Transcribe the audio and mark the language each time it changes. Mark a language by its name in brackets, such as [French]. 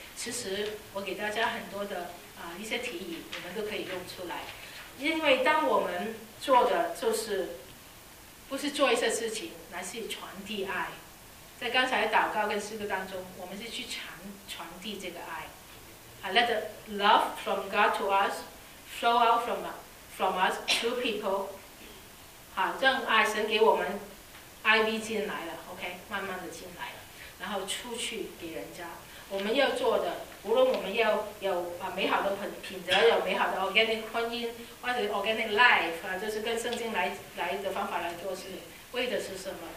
[Chinese] 其实我给大家很多的一些提议，你们都可以用出来。因为当我们做的就是不是做一些事情，乃是传递爱。在刚才的祷告跟诗歌当中，我们是去传递这个爱。 [English] I let the love from God to us flow out from us to people. [Chinese] 好，这样爱神给我们爱意进来了 ，OK， 慢慢的进来了，然后出去给人家。我们要做的，无论我们要有美好的品德，有美好的 organic 婚姻，或者 organic life 啊，就是跟圣经来的方法来做事，为的是什么？